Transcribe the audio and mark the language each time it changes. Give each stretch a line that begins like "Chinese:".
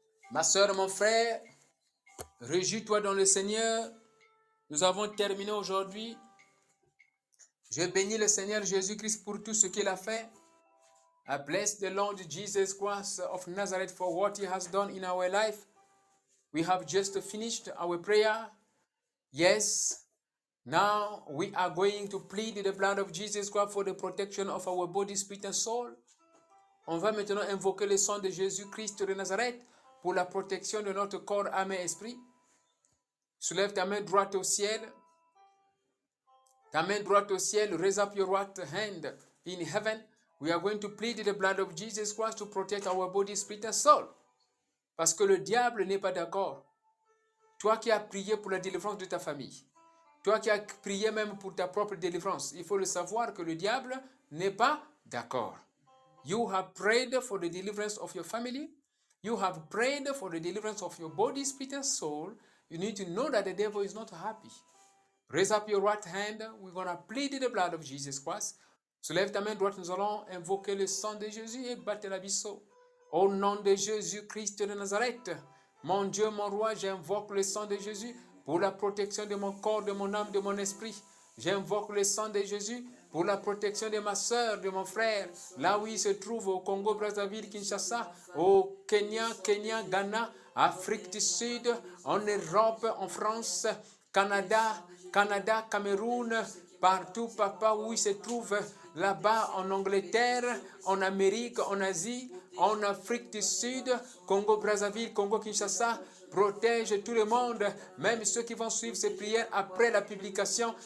French: Ma soeur, mon frère, réjouis-toi dans le Seigneur. Nous avons terminé aujourd'hui. Je bénis le Seigneur Jésus-Christ pour tout ce qu'il a fait.
English: I bless the Lord Jesus Christ of Nazareth for what he has done in our life. We have just finished our prayer. Yes, now we are going to plead the blood of Jesus Christ for the protection of our body, spirit and soul.
French: On va maintenant invoquer le sang de Jésus-Christ de Nazareth pour la protection de notre corps, âme et esprit. Soulève ta main droite au ciel. Ta main droite au ciel.
English: Raise up your right hand in heaven. We are going to plead the blood of Jesus Christ to protect our body, spirit and soul.
French: Parce que le diable n'est pas d'accord. Toi qui as prié pour la délivrance de ta famille. Toi qui as prié même pour ta propre délivrance. Il faut le savoir que le diable n'est pas d'accord.
English: You have prayed for the deliverance of your family. You have prayed for the deliverance of your body, spirit and soul. You need to know that the devil is not happy. Raise up your right hand. We're going to plead the blood of Jesus Christ.
French: Soulève ta main droite. Nous allons invoquer le sang de Jésus et battre l'abysseau. Au nom de Jésus-Christ de Nazareth, mon Dieu, mon roi, j'invoque le sang de Jésus pour la protection de mon corps, de mon âme, de mon esprit. J'invoque le sang de Jésus pour la protection de ma soeur, de mon frère, là où il se trouve, au Congo, Brazzaville, Kinshasa, au Kenya, Ghana, Afrique du Sud, en Europe, en France, Canada, Cameroun, partout, papa, où il se trouve, là-bas, en Angleterre, en Amérique, en Asie, en Afrique du Sud, Congo, Brazzaville, Congo, Kinshasa, protège tout le monde, même ceux qui vont suivre ces prières après la publication.